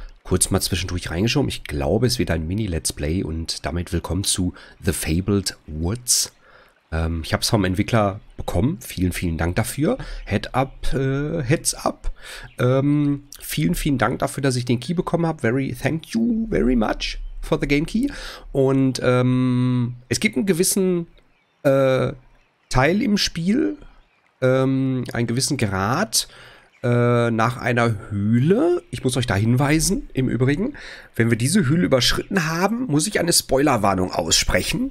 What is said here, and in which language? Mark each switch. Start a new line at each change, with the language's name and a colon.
German: Kurz mal zwischendurch reingeschoben. Ich glaube, es wird ein Mini-Let's Play und damit willkommen zu The Fabled Woods. Ich habe es vom Entwickler bekommen. Vielen, vielen Dank dafür.
English: Heads up.
German: Vielen, vielen Dank dafür, dass ich den Key bekommen habe.
English: Thank you very much for the Game Key.
German: Und es gibt einen gewissen Teil im Spiel, einen gewissen Grad nach einer Höhle. Ich muss euch da hinweisen, im Übrigen. Wenn wir diese Höhle überschritten haben, muss ich eine Spoilerwarnung aussprechen.